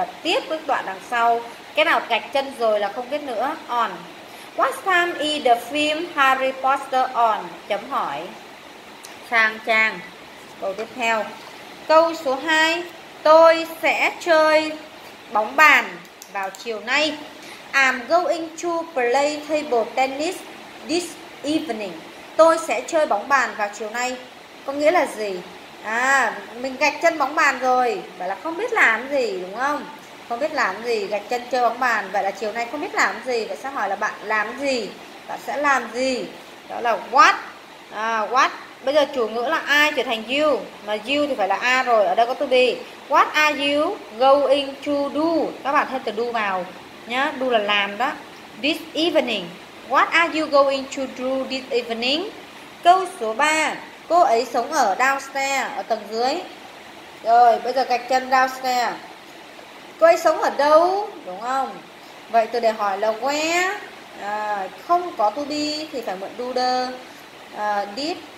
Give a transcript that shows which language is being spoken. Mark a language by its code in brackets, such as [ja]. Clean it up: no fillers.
[vi] Và tiếp với đoạn đằng sau, cái nào gạch chân rồi là không viết nữa, on. [en] What time is the film Harry Potter on, [vi] chấm hỏi. Sang trang câu tiếp theo. Câu số 2. Tôi sẽ chơi bóng bàn vào chiều nay. [en] I'm going to play table tennis this evening. [vi] Tôi sẽ chơi bóng bàn vào chiều nay. Có nghĩa là gì? Mình gạch chân bóng bàn rồi. Vậy là không biết làm gì, đúng không? Không biết làm gì, gạch chân chơi bóng bàn. Vậy là chiều nay không biết làm gì. Vậy sẽ hỏi là bạn làm gì? Bạn sẽ làm gì? Đó là what. What. Bây giờ chủ ngữ là I trở thành you. Mà you thì phải là A rồi. Ở đây có to be. [en] What are you going to do? [vi] Các bạn thêm từ do vào nhá. Do là làm đó. [en] This evening. What are you going to do this evening? [vi] Câu số 3. Cô ấy sống ở downstairs, ở tầng dưới. Rồi, bây giờ gạch chân downstairs. Cô ấy sống ở đâu? Đúng không? Vậy từ để hỏi là where? Không có to be thì phải mượn do, the, did.